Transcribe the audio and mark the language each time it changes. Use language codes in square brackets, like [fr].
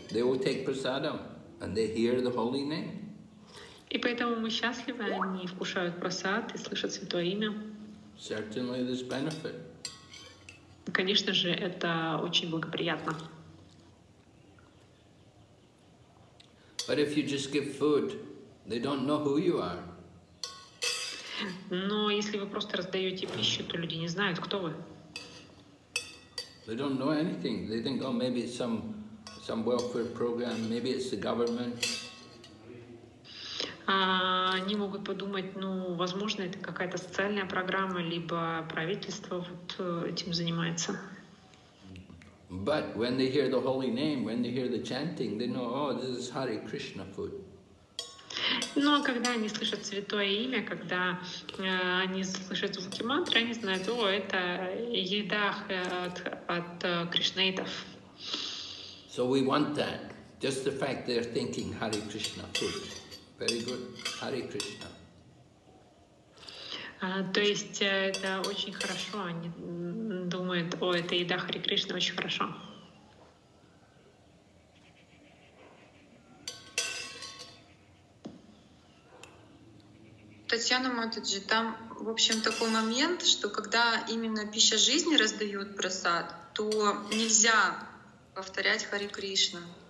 [en] They will take prasadam, and they hear the holy name. [ru] И поэтому мы счастливы, они вкушают прасад и слышат святое имя. [en] Certainly there's benefit. [ru] Конечно же, это очень благоприятно. [en] But if you just give food, they don't know who you are. [ru] Но если вы просто раздаете пищу, то люди не знают, кто вы. [en] They don't know anything. They think, oh, maybe some some welfare program, maybe it's the government. [ru] Они могут подумать, ну, возможно, это какая-то социальная программа, либо правительство вот этим занимается. [en] But when they hear the holy name, when they hear the chanting, they know, oh, this is Hare Krishna food. [ru] Но когда они слышат святое имя, когда они слышат звуки мантры, они знают, о, это еда от кришнаитов. [en] So we want that. Just the fact they're thinking Hare Krishna food. Very good. Hare Krishna. [ru] То есть это очень хорошо. Они думают, о, это еда Хари Кришна, очень хорошо. Татьяна Матаджи, там, в общем, такой момент, что когда именно пища жизни раздают просад, то нельзя повторять Хари Кришна.